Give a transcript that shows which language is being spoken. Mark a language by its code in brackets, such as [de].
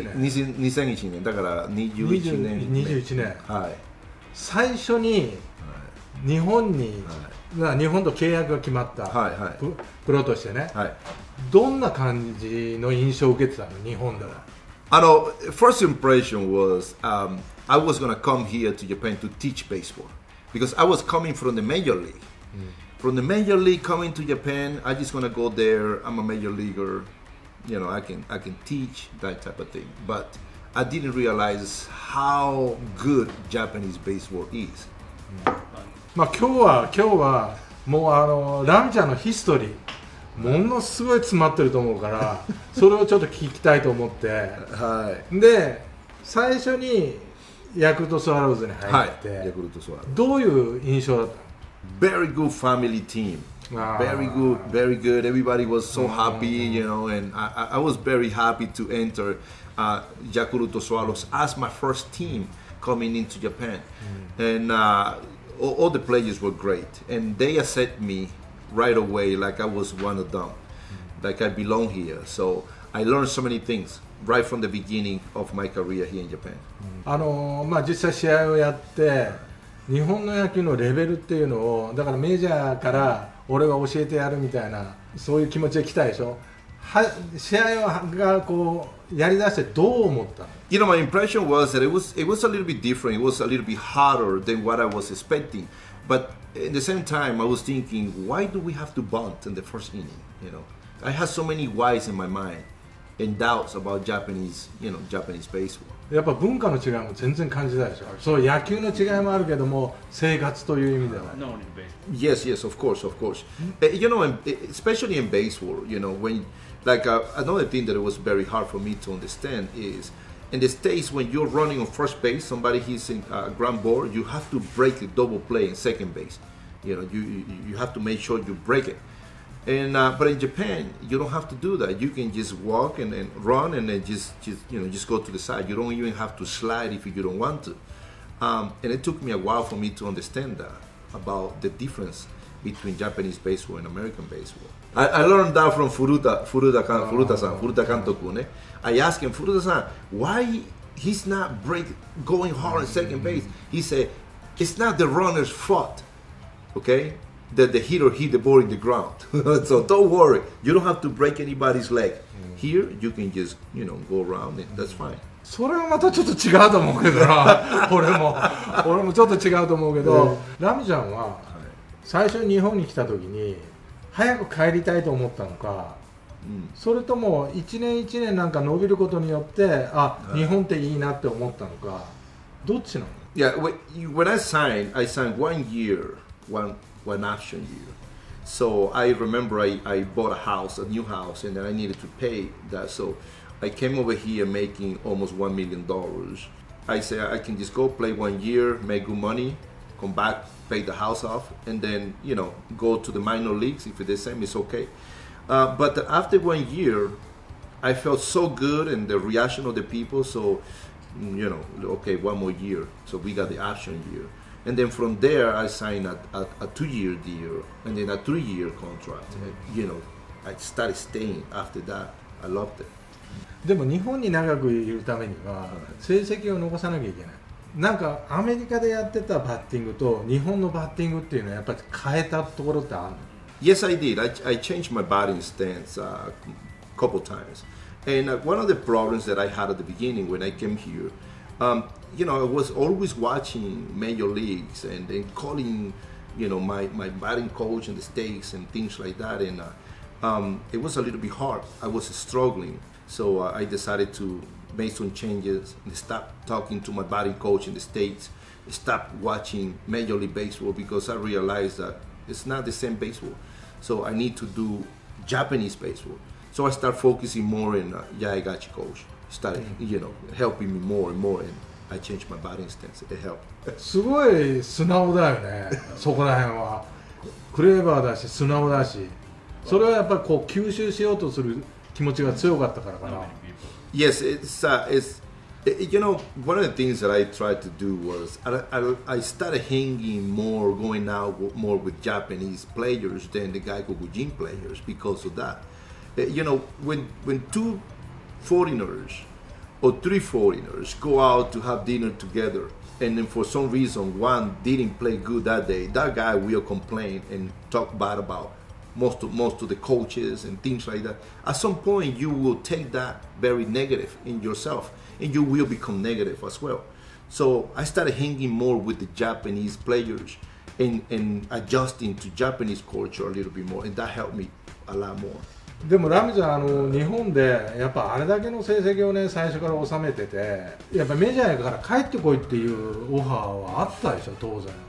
[ja] 2001年だから21年目。21年。はい。最初に日本に、はい、日本と契約が決まった、はいはい、プロとしてね、はい。どんな感じの印象を受けてたの、日本では？ [en] I know, first impression was I was going to come here to Japan to teach baseball because I was coming from the major league. From the major league coming to Japan, I just going to go there. I'm a major leaguer. You know, I can teach that type of thing. But I didn't realize how good Japanese baseball is. [ja] まあ今日はもうあのラミちゃんのヒストリーものすごい詰まってると思うからそれをちょっと聞きたいと思って、はい、で最初にヤクルトスワローズに入って、はい、ヤクルトスワローズどういう印象だったの [en] Very good family team Very good, very good Everybody was so happy You know, and I was very happy to enter ヤクルトスワローズ as my first team coming into Japan And all the players were great And they accepted meright away like I was one of them like I belong here so I learned so many things right from the beginning of my career here in Japan [ja] まあ、実際試合をやって日本の野球のレベルっていうのをだからメジャーから俺が教えてやるみたいなそういう気持ちで来たでしょ試合がこうやりだしてどう思ったの [en] You know my impression was that it was a little bit different it was a little bit harder than what I was expecting butAt the same time, I was thinking, why do we have to bunt in the first inning? You know, I had so many whys in my mind and doubts about Japanese, you know, Japanese baseball. [ja] やっぱ文化の違いも全然感じたでしょ。そう、野球の違いもあるけども、生活という意味では。 [en] Yes, yes, of course, of course. You know, especially in baseball, you know, when, like, another thing that was very hard for me to understand is, in the States, when you're running on first base, somebody hits a ground ball, you have to break a double play in second base. You know, you have to make sure you break it. And, but in Japan, you don't have to do that. You can just walk and run and then just go to the side. You don't even have to slide if you don't want to. And it took me a while for me to understand that, about the difference between Japanese baseball and American baseball. I learned that from Furuta-san, Furuta-kantoku, ne? I asked him, Furuta-san, why he's not going hard in second base? He said, it's not the runner's fault, okay, that the hitter hit the ball in the ground. So don't worry, you don't have to break anybody's leg. Here, you can just, you know, go around it, that's fine. [ja] それはまたちょっと違うと思うけどな、俺もちょっと違うと思うけど、ラミちゃんは最初日本に来た時に、早く帰りたいと思ったのか、それとも1年1年なんか伸びることによって、あ、日本っていいなって思ったのか、どっちなの [en] ？Yeah, when I signed 1 year, one option year. So I remember I bought a house, a new house, and then I needed to pay that. So I came over here making almost $1 million. I said I can just go play 1 year, make good money. Come back, pay the house off, and then you know go to the minor leagues. If it's the same, it's okay. But after 1 year, I felt so good and the reaction of the people. So you know, okay, one more year. So we got the option year, and then from there I signed a 2 year deal and then a 3 year contract. And, you know, I started staying after that. I loved it. [ja] でも日本に長くいるためには成績を残さなきゃいけない。なんかアメリカでやってたバッティングと日本のバッティングっていうのはやっぱり変えたところってあるの [en] Yes, I did. I changed my batting stance a couple times. And one of the problems that I had at the beginning when I came here, you know, I was always watching major leagues and then calling, you know, my batting coach in the States and things like that. And it was a little bit hard. I was struggling. So I decided to, made some changes, stopped talking to my batting coach in the States, stopped watching Major League Baseball because I realized that it's not the same baseball. So I need to do Japanese baseball. So I start focusing more in Yaegachi coach, started, mm-hmm. you know, helping me more and more, and I changed my batting stance. It helped. [ja] すごい素直だよね、そこら辺は。クレーバーだし、素直だし。それはやっぱりこう吸収しようとする気持ちが強かったからかな。 [en] Yes, it's, you know, one of the things that I tried to do was I started hanging more, going out more with Japanese players than the Gaikokujin players because of that. You know, when two foreigners or three foreigners go out to have dinner together, and then for some reason one didn't play good that day, that guy will complain and talk bad about most of the coaches and things like that. At some point, you will take that very negative in yourself, and you will become negative as well. So I started hanging more with the Japanese players and adjusting to Japanese culture a little bit more, and that helped me a lot more. [ja] でもラミちゃん、日本でやっぱあれだけの成績をね、最初から収めてて、やっぱメジャーから帰ってこいっていうオファーはあったでしょ、当然。